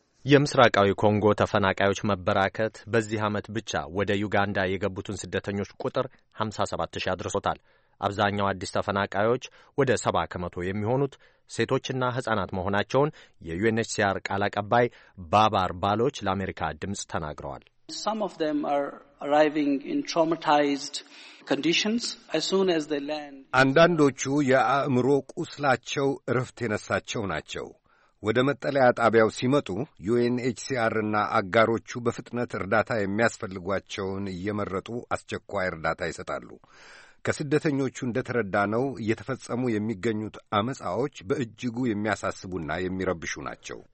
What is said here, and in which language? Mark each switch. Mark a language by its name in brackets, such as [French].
[Amharic] የምስራቃዊ ኮንጎ ተፈናቃዮች መበራከት በዚህ ዓመት ብቻ ወደ ዩጋንዳ የገቡትን ስደተኞች ቁጥር 57000 አድርሶታል። አብዛኛው አዲስ ተፈናቃዮች ወደ 70% የሚሆኑት ሴቶችና ሕፃናት መሆናቸውን የዩኤንኤችሲአር ቃል አቀባይ ባባር ባሎች ለአሜሪካ ድምፅ ተናግረዋል። [English] Some of them are arriving in traumatized conditions. As soon as they land, [Amharic] አንዳንዶቹ የአእምሮ ቁስላቸው እረፍት የነሳቸው ናቸው። ወደ መጠለያ ጣቢያው ሲመጡ UNHCR እና አጋሮቹ በፍጥነት እርዳታ የሚያስፈልጓቸውን እየመረጡ አስቸኳይ እርዳታ ይሰጣሉ። ከስደተኞቹ እንደተረዳነው እየተፈጸሙ የሚገኙት አመጻዎች በእጅጉ የሚያሳስቡና የሚረብሹ ናቸው።